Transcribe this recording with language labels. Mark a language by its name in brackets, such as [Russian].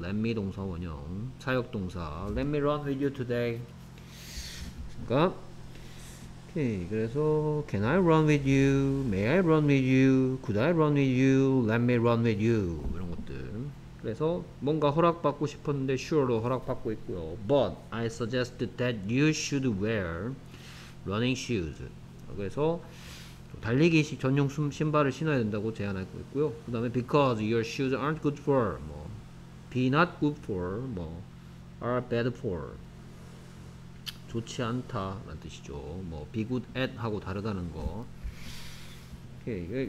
[English] Let me [Korean] 동사 원형 사역 동사 [English] Let me run with you today. [Korean] 그러니까 그래서 [English] Can I run with you? May I run with you? Could I run with you? Let me run with you? [Korean] 이런 것들. 그래서 뭔가 허락받고 싶었는데 sure로 허락받고 있고요. [English] But I suggest that you should wear running shoes. [Korean] 그래서 달리기 전용 신발을 신어야 된다고 제안하고 있고요. [English] 그 다음에 Because your shoes aren't good for 뭐, Be not good for 뭐, Are bad for [Korean] 좋지 않다 라는 뜻이죠. 뭐 be good at 하고 다르다는 거. 오케이.